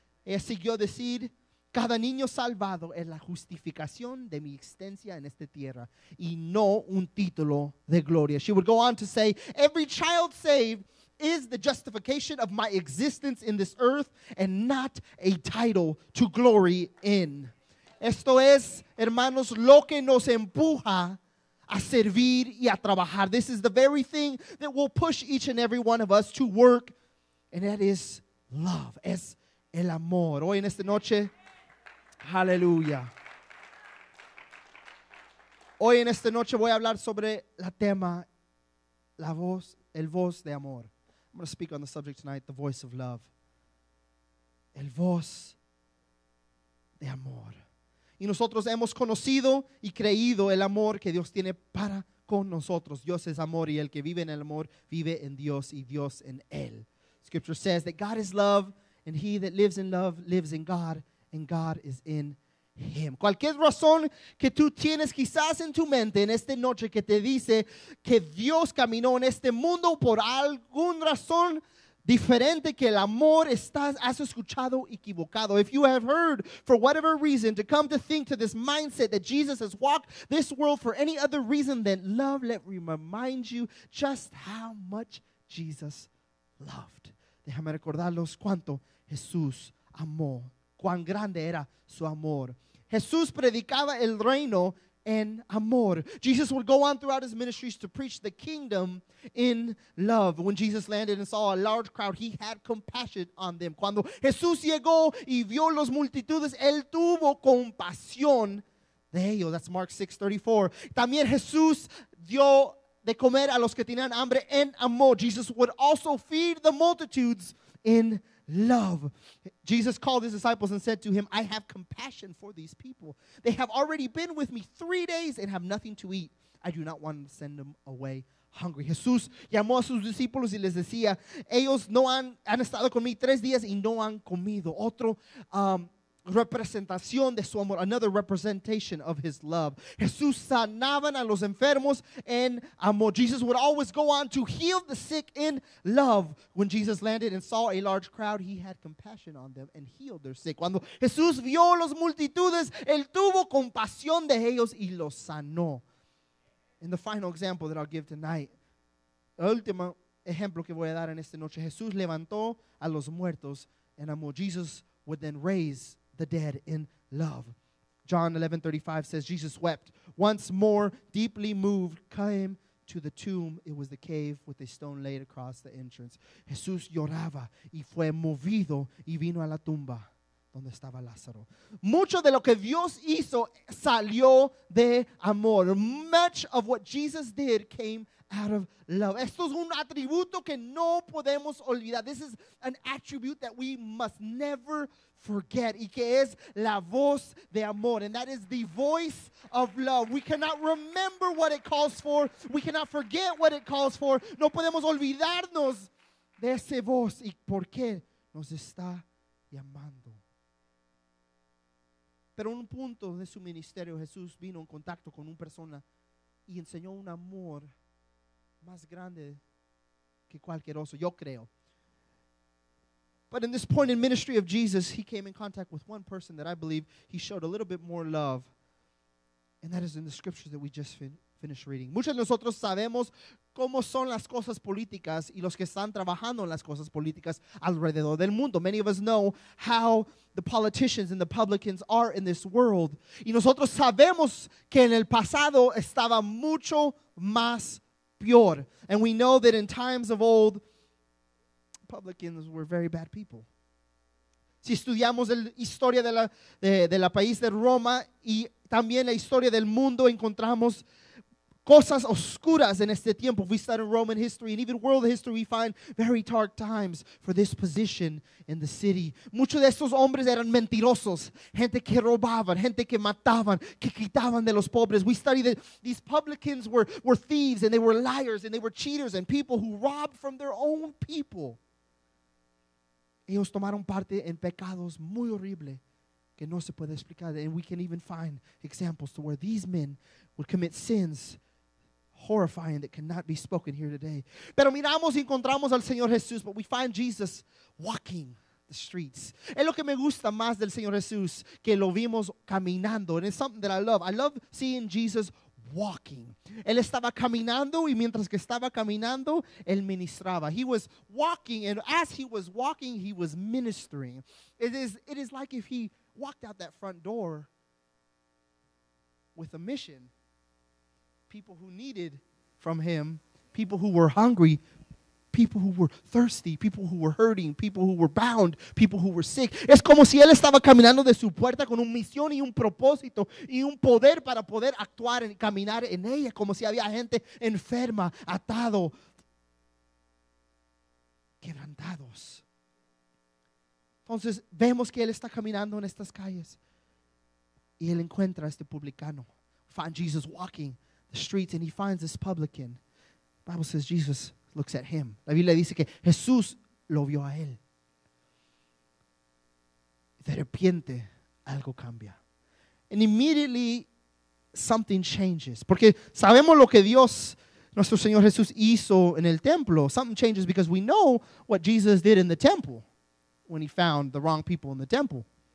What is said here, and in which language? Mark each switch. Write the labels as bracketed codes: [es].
[es] Ella siguió decir, cada niño salvado es la justificación de mi existencia en esta tierra y no un título de gloria. [en] She would go on to say, every child saved is the justification of my existence in this earth and not a title to glory in. [es] Esto es, hermanos, lo que nos empuja a servir y a trabajar. [en] This is the very thing that will push each and every one of us to work, and that is love. [es] Es el amor. Hoy en esta noche, hallelujah. Hoy en esta noche voy a hablar sobre la tema, la voz, el voz de amor. [en] I'm going to speak on the subject tonight, the voice of love. [es] El voz de amor. Y nosotros hemos conocido y creído el amor que Dios tiene para con nosotros. Dios es amor y el que vive en el amor vive en Dios y Dios en él. [en] Scripture says that God is love, and he that lives in love lives in God, and God is in him. [es] Cualquier razón que tú tienes quizás en tu mente en esta noche que te dice que Dios caminó en este mundo por alguna razón diferente que el amor, estás, has escuchado equivocado. [en] If you have heard for whatever reason to come to think to this mindset that Jesus has walked this world for any other reason than love, let me remind you just how much Jesus loved. [es] Déjame recordarlos cuánto Jesús amó, cuán grande era su amor. Jesús predicaba el reino en amor. [en] Jesus would go on throughout his ministries to preach the kingdom in love. When Jesus landed and saw a large crowd, he had compassion on them. [es] Cuando Jesús llegó y vio las multitudes, él tuvo compasión de ellos. [en] That's Mark 6:34. [es] También Jesús dio de comer a los que tenían hambre en amor. [en] Jesus would also feed the multitudes in love. Jesus called his disciples and said to him, I have compassion for these people. They have already been with me 3 days and have nothing to eat. I do not want to send them away hungry. [es] Jesús llamó a sus discípulos y les decía, ellos no han estado conmigo 3 días y no han comido. Otro representación de su amor, [en] another representation of his love. [es] Jesús sanaban a los enfermos en amor. [en] Jesus would always go on to heal the sick in love. When Jesus landed and saw a large crowd, he had compassion on them and healed their sick. [es] Cuando Jesús vio las multitudes, él tuvo compasión de ellos y los sanó. [en] In the final example that I'll give tonight, [es] el último ejemplo que voy a dar en esta noche, Jesús levantó a los muertos en amor. [en] Jesus would then raise the dead in love. John 11:35 says, Jesus wept once more, deeply moved, came to the tomb. It was the cave with a stone laid across the entrance. [es] Jesús lloraba y fue movido y vino a la tumba donde estaba Lázaro. Mucho de lo que Dios hizo salió de amor. [en] Much of what Jesus did came out of love. [es] Esto es un atributo que no podemos olvidar. [en] This is an attribute that we must never forget. [es] Y que es la voz de amor. [en] And that is the voice of love. We cannot remember what it calls for. We cannot forget what it calls for. [es] No podemos olvidarnos de ese voz. Y por qué nos está llamando. Pero en un punto de su ministerio, Jesús vino en contacto con una persona y enseñó un amor más grande que cualquier oso, yo creo. [en] But in this point in ministry of Jesus, he came in contact with one person that I believe he showed a little bit more love. And that is in the scriptures that we just finished reading. [es] Muchos de nosotros sabemos cómo son las cosas políticas y los que están trabajando en las cosas políticas alrededor del mundo. [en] Many of us know how the politicians and the publicans are in this world. [es] Y nosotros sabemos que en el pasado estaba mucho más peor. [en] And we know that in times of old, publicans were very bad people. [es] Si estudiamos la historia de la país de Roma y también la historia del mundo, encontramos cosas oscuras en este tiempo. [en] We study Roman history and even world history, we find very dark times for this position in the city. [es] Muchos de estos hombres eran mentirosos, gente que robaban, gente que mataban, que quitaban de los pobres. [en] We study that these publicans were thieves and they were liars and they were cheaters and people who robbed from their own people. [es] Ellos tomaron parte en pecados muy horribles que no se puede explicar. [en] And we can even find examples to where these men would commit sins horrifying that cannot be spoken here today. [es] Pero miramos y encontramos al Señor Jesús, [en] but we find Jesus walking the streets. [es] Es lo que me gusta más del Señor Jesús, que lo vimos caminando. [en] And it's something that I love. I love seeing Jesus walking. [es] Él estaba caminando y mientras que estaba caminando, él ministraba. [en] He was walking, and as he was walking, he was ministering. It is like if he walked out that front door with a mission. People who needed from him, people who were hungry, people who were thirsty, people who were hurting, people who were bound, people who were sick. [es] Es como si él estaba caminando de su puerta con una misión y un propósito y un poder para poder actuar y caminar en ella. Como si había gente enferma, atado, quebrantados. Entonces vemos que él está caminando en estas calles y él encuentra a este publicano. [en] Find Jesus walking the streets and he finds this publican. The Bible says Jesus looks at him. [es] La Biblia dice que Jesús lo vio a él. De repente, algo cambia. [en] And immediately, something changes. [es] Porque sabemos lo que Dios, nuestro Señor Jesús, hizo en el templo. [en] Something changes because we know what Jesus did in the temple when he found the wrong people in the temple.